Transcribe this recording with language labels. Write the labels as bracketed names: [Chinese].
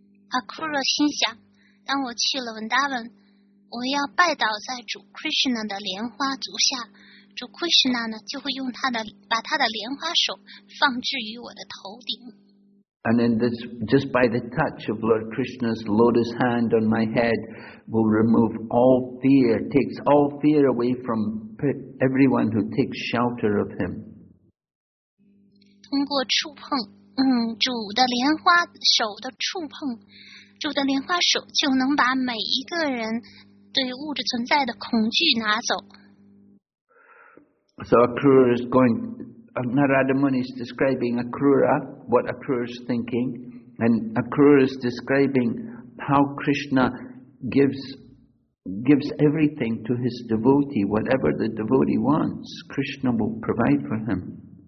[Chinese] Akrura 心想，当我去了 Vrindavan, 我要拜倒在主 Krishna 的莲花足下，主 Krishna 呢就会用把他的莲花手放置于我的头顶。 [English] And then this, just by the touch of Lord Krishna's lotus hand on my head, will remove all fear, takes all fear away from everyone who takes shelter of him. [Chinese] 通过触碰，主的莲花手的触碰，主的莲花手就能把每一个人对物质存在的恐惧拿走。 [English] So Akrura is going... Narada Muni is describing Akrura, what Akrura is thinking, and Akrura is describing how Krishna gives everything to his devotee, whatever the devotee wants, Krishna will provide for him.